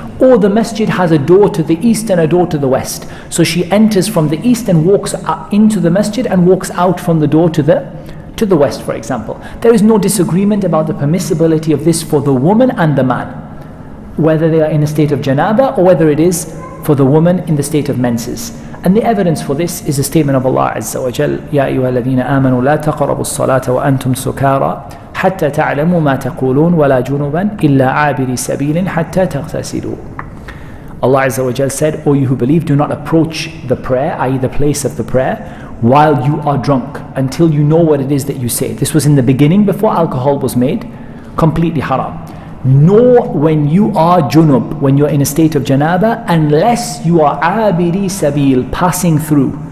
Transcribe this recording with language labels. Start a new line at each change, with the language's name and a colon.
English: Or the masjid has a door to the east and a door to the west. So she enters from the east and walks into the masjid and walks out from the door to the west, for example. There is no disagreement about the permissibility of this for the woman and the man, whether they are in a state of janaba or whether it is for the woman in the state of menses. And the evidence for this is a statement of Allah Azza wa Jal,
Arabic: يَا أَيُّهَا الَّذِينَ آمَنُوا لَا تَقْرَبُوا الصَّلَاةَ وَأَنْتُمْ سُكَارَى حَتَّى تَعْلَمُوا مَا تَقُولُونَ وَلَا جُنُوبًا إِلَّا عَابِرِ سَبِيلٍ حَتَّى تَغْتَسِلُوا.
English: Allah Azza wa Jal said, O you who believe, do not approach the prayer, i.e. the place of the prayer, while you are drunk, until you know what it is that you say. This was in the beginning, before alcohol was made completely haram. Nor when you are junub, when you're in a state of janaba, unless you are abiri sabil, passing through.